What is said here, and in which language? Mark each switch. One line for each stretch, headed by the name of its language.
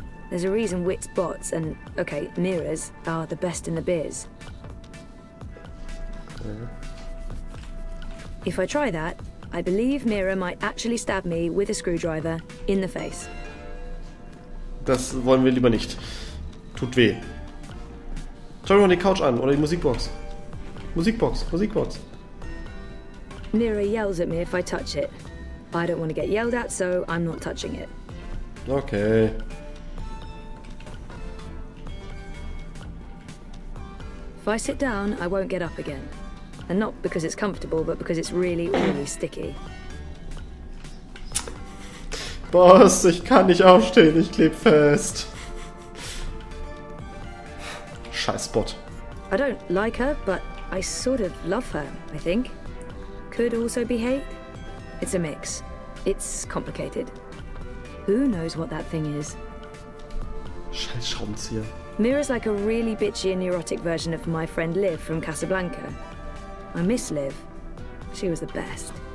English: There's a reason Witt's bots and, okay, Mira's are the best in the biz. If I try that, I believe Mira might actually stab me with a screwdriver in the face.
German: Das wollen wir lieber nicht. Tut weh. Schau mir mal die Couch an oder die Musikbox. Musikbox, Musikbox.
English: Mira yells at me if I touch it. I don't want to get yelled at, so I'm not touching it. Okay. If I sit down, I won't get up again. And not because it's comfortable, but because it's really, really sticky.
German: Boss, ich kann nicht aufstehen, ich kleb fest. Scheißbot.
English: I don't like her, but I sort of love her, I think. Could also be hate. It's a mix. It's complicated. Who knows what that thing is?
German: Scheiß Schraubenzieher.
English: Mira's like a really bitchy and neurotic version of my friend Liv from Casablanca. I miss Liv. She was the best.